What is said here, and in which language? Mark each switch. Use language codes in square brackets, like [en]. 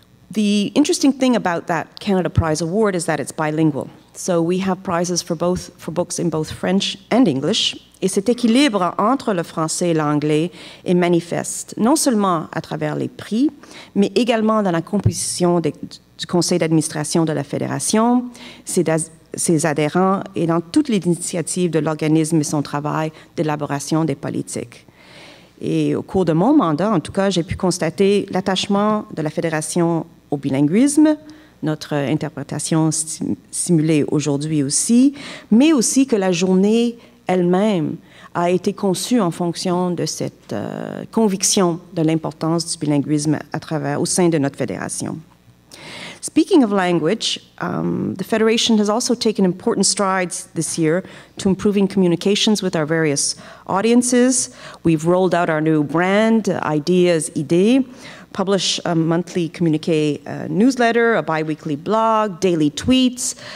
[en] The interesting thing about that Canada Prize Award is that it's bilingual. So we have prizes for books in both French and English. [fr] Et cet équilibre entre le français et l'anglais est manifeste, non seulement à travers les prix, mais également dans la composition du conseil d'administration de la Fédération, ses adhérents et dans toutes les initiatives de l'organisme et son travail d'élaboration des politiques. Et au cours de mon mandat, en tout cas, j'ai pu constater l'attachement de la Fédération au bilinguisme, notre interprétation simulée aujourd'hui aussi, mais aussi que la journée elle-même a été conçue en fonction de cette conviction de l'importance du bilinguisme au sein de notre fédération. [en] Speaking of language, the Federation has also taken important strides this year to improving communications with our various audiences. We've rolled out our new brand, Ideas, Idées, publish a monthly communique newsletter, a bi-weekly blog, daily tweets.